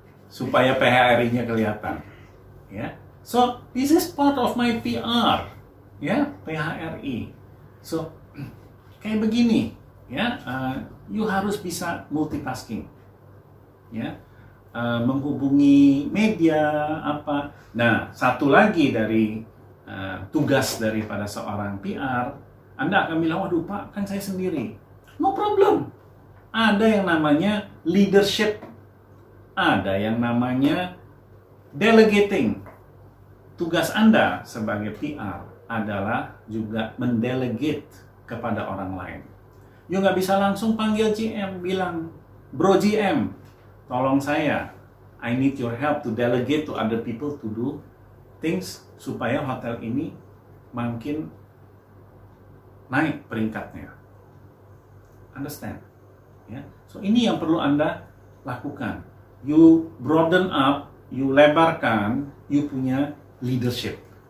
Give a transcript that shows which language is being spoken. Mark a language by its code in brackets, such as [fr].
[id] supaya PHRI-nya kelihatan. [en] Ya. Yeah? So, this is part of my PR. Ya, yeah? PHRI. [id] So, kayak begini, ya, you harus bisa multitasking, ya, menghubungi media apa. Nah, satu lagi dari tugas daripada seorang PR, Anda akan bilang, waduh Pak, kan saya sendiri. No problem. Ada yang namanya leadership, ada yang namanya delegating. Tugas Anda sebagai PR adalah juga mendelegate kepada orang lain. [en] You [id] nggak bisa langsung panggil GM, bilang, bro GM, tolong saya, [en] I need your help to delegate to other people to do things [id] supaya hotel ini makin naik peringkatnya. [en] Understand? Yeah. [id] So ini yang perlu Anda lakukan. [en] You broaden up, you [id] lebarkan, [en] you [id] punya [en] leadership.